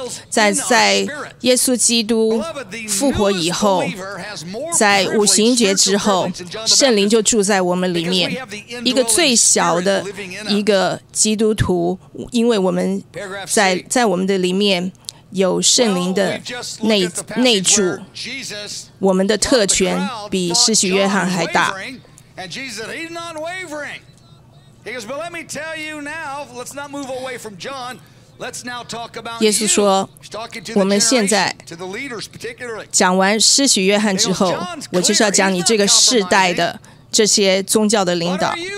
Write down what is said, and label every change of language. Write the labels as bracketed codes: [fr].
[zh] 在耶稣基督复活以后，在五旬节之后，圣灵就住在我们里面，一个最小的一个基督徒，因为我们在我们的里面有圣灵的内住，我们的特权比施洗约翰还大。 [en] And Jesus said, he's not wavering. He goes, but let me tell you now, let's not move away from John. Let's now talk about you. [zh] 耶稣说，我们现在讲完施洗约翰之后，我就是要讲你这个世代的这些宗教的领导。